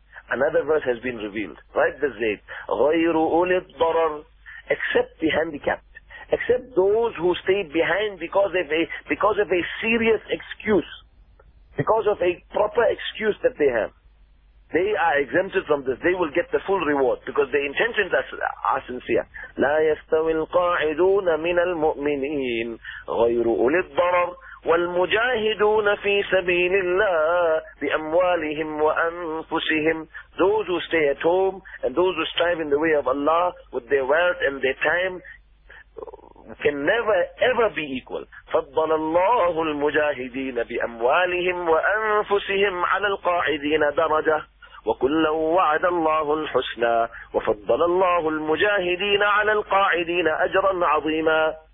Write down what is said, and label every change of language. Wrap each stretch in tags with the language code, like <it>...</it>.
<en>Another verse has been revealed. Write this, Zayd.</en> <ar>غير أولي الضرر,</ar> <en>except the handicapped. Except those who stayed behind because of a serious excuse, because of a proper excuse that they have. they are exempted from this. They will get the full reward because their intentions are sincere.</en> <ar>لا يستوي القاعدون من المؤمنين غير أولي الضرر والمجاهدون في سبيل الله بأموالهم وأنفسهم.</ar> <en>Those who stay at home and those who strive in the way of Allah with their wealth and their time can never ever be equal.</en> <ar>فضل الله المجاهدين بأموالهم وأنفسهم على القاعدين درجة وكلا وعد الله الحسنى وفضل الله المجاهدين على القاعدين أجرا عظيما.</ar>